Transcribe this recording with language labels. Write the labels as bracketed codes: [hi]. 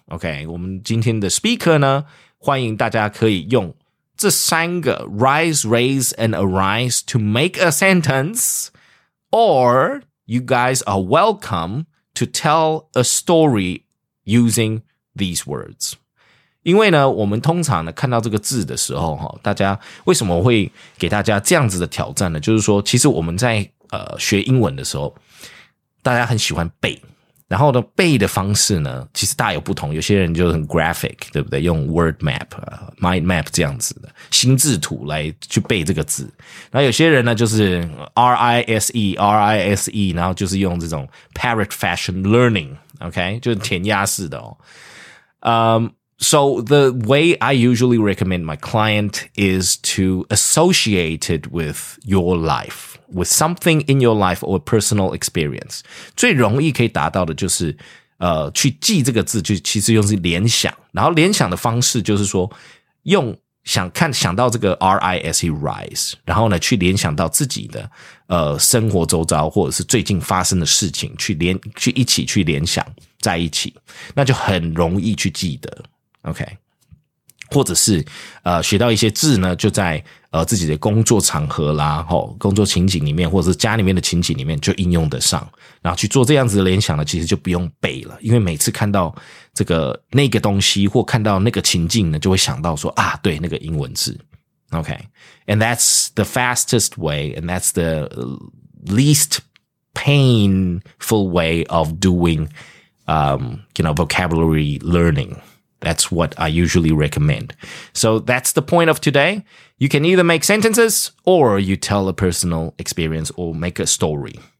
[zh] Okay, 我们今天的 speaker 呢，欢迎大家可以用这三个 rise, raise, and arise [en] to make a sentence, or... You guys are welcome to tell a story using these words. [zh] 因为呢，我们通常呢看到这个字的时候，大家为什么会给大家这样子的挑战呢？就是说，其实我们在学英文的时候，大家很喜欢背。然后呢，背的方式呢，其实大有不同。有些人就很 graphic， 对不对？用 word map、mind map 这样子的心智图来去背这个字。然后有些人呢，就是 RISE， 然后就是用这种 parrot fashion learning， OK， 就是填鸭式的哦。 [en] So the way I usually recommend my client is to associate it with your life. With something in your life or personal experience. [zh] 最容易可以达到的就是去记这个字就其实用是联想。然后联想的方式就是说用想到这个 RISE, RISE, 然后呢去联想到自己的生活周遭或者是最近发生的事情去一起去联想在一起。那就很容易去记得。OK。或者是学到一些字呢就在自己的工作场合啦齁工作情景里面或者是家里面的情景里面就应用得上。然后去做这样子的联想呢其实就不用背了。因为每次看到这个那个东西或看到那个情境呢就会想到说啊对那个英文字。 [en] Okay. And that's the fastest way, and that's the least painful way of doing, you know, vocabulary learning. That's what I usually recommend. So that's the point of today. You can either make sentences or you tell a personal experience or make a story.